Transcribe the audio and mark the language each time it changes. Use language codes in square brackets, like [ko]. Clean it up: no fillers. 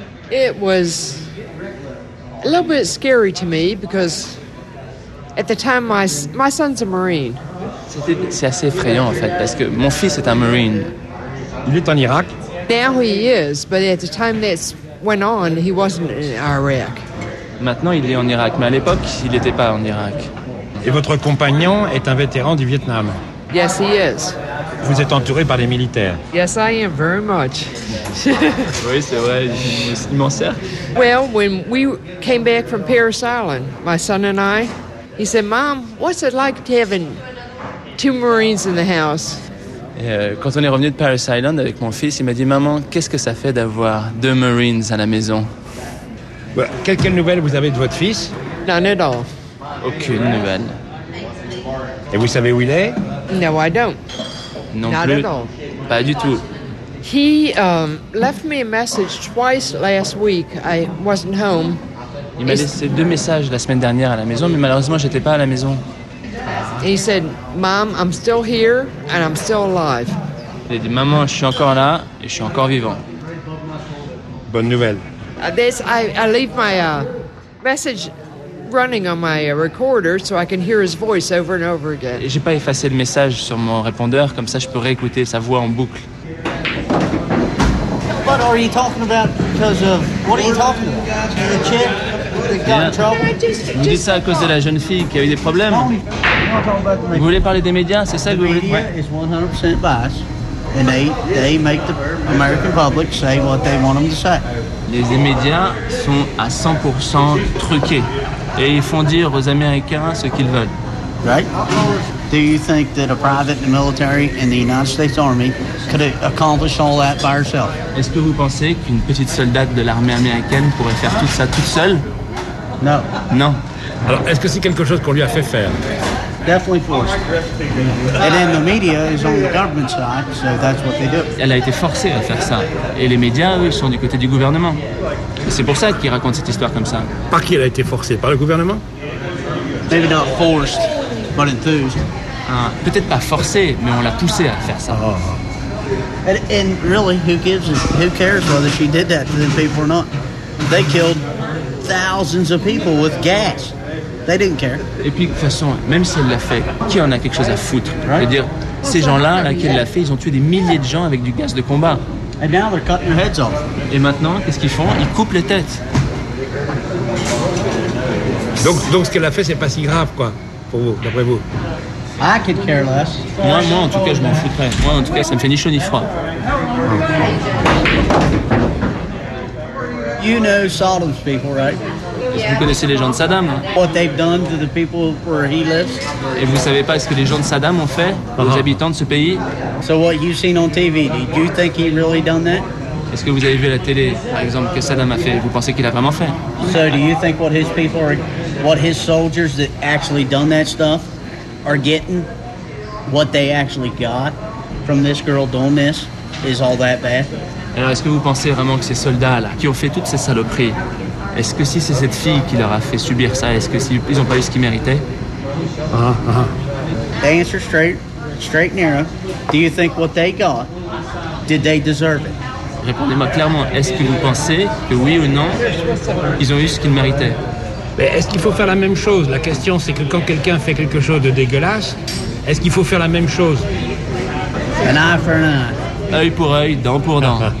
[en] It was a little bit scary to me because at the time, my son's a Marine. [fr] C'est assez effrayant, en fait, parce que mon fils est un Marine. Il est en Irak. [en] Now he is, but at the time that went on, he wasn't in Iraq. [fr] Maintenant, il est en Irak, mais à l'époque, il n'était pas en Irak. Et votre compagnon est un vétéran du Vietnam. [en] Yes, he is. [fr] Vous êtes entouré par les militaires. [en] Yes, I am very much. [fr] Oui, c'est vrai, il m'en sert. [en] Well, when we came back from Paris Island, my son and I, he said, "Mom, what's it like to having two Marines in the house?" [fr] Quand on est revenu de Paris Island avec mon fils, il m'a dit « Maman, qu'est-ce que ça fait d'avoir deux Marines à la maison ?» Voilà. Quelle nouvelle vous avez de votre fils ? [en] None at all. [fr] Aucune nouvelle. Et vous savez où il est ? [en] No, I don't. [fr] Non [en] Not [fr] plus. [en] At all. [fr] Pas du tout. [en] He left me a message twice last week. I wasn't home. [fr] Il m'a laissé deux messages la semaine dernière à la maison, mais malheureusement, je n'étais pas à la maison. [en] He said, Mom, I'm still here and I'm still alive. [fr] Il a dit, Maman, je suis encore là et je suis encore vivant. Bonne nouvelle. [en] I leave my message running on my recorder so I can hear his voice over and over again. [fr] Et j'ai pas effacé le message sur mon répondeur, comme ça je peux réécouter sa voix en boucle. [en] What are you talking about? Because of what are you talking about? The chick that got in trouble. [fr] Vous dites ça à cause de la jeune fille qui a eu des problèmes. Vous voulez parler des médias, c'est ça que vous voulez dire? [en] The media is 100% biased, and they make the American public say what they want them to say. [fr] Les médias sont à 100% truqués et ils font dire aux Américains ce qu'ils veulent. [en] Right? Do you think that a private in the military in the United States Army could accomplish all that by herself? [fr] Est-ce que vous pensez qu'une petite soldate de l'armée américaine pourrait faire tout ça toute seule? [en] No. [fr] Non. Alors, est-ce que c'est quelque chose qu'on lui a fait faire? [en] Definitely forced. And then the media is on the government side, so that's what they do. [fr] Elle a été forcée à faire ça. Et les médias, eux, sont du côté du gouvernement. Et c'est pour ça qu'ils racontent cette histoire comme ça. Par qui elle a été forcée? Par le gouvernement? [en] Maybe not forced, but enthused. [fr] Peut-être pas forcée, mais on l'a poussée à faire ça. Oh. [en] And really, who cares whether she did that to the people or not? They killed thousands of people with gas. They didn't care. [fr] Et puis, de toute façon, même si elle l'a fait, qui en a quelque chose à foutre? [en] Right? [fr] C'est-à-dire, ces gens-là, là, qui l'a fait, ils ont tué des milliers de gens avec du gaz de combat. [en] And now they're cutting their heads off. [fr] Et maintenant, qu'est-ce qu'ils font? Ils coupent les têtes. Donc, ce qu'elle a fait, c'est pas si grave, quoi, pour vous, d'après vous? [en] I could care less. [fr] Moi, en tout cas, je m'en foutrais. Moi, en tout cas, ça me fait ni chaud ni froid. [en] You know Sodom's people, right? [fr] Parce que vous connaissez les gens de Saddam. [en] What they've done to the people where he lives. [fr] Et vous savez pas ce que les gens de Saddam ont fait aux habitants de ce pays? [en] So what you've seen on TV, do you think he really done that? [fr] Est-ce que vous avez vu la télé, par exemple, que Saddam a fait? Vous pensez qu'il a vraiment fait? [en] So do you think what his people, are, what his soldiers that actually done that stuff, are getting, what they actually got from this girl doing this, is all that bad? [fr] Alors est-ce que vous pensez vraiment que ces soldats-là, qui ont fait toutes ces saloperies, est-ce que si c'est cette fille qui leur a fait subir ça, est-ce qu'ils n'ont pas eu ce qu'ils méritaient? [en] They answer straight and narrow. Do you think what they got, did they deserve it? [fr] Répondez-moi clairement, est-ce que vous pensez que oui ou non, ils ont eu ce qu'ils méritaient? Mais est-ce qu'il faut faire la même chose? La question c'est que quand quelqu'un fait quelque chose de dégueulasse, est-ce qu'il faut faire la même chose? [en] An eye for an eye. [fr] Œil pour œil, dent pour dent.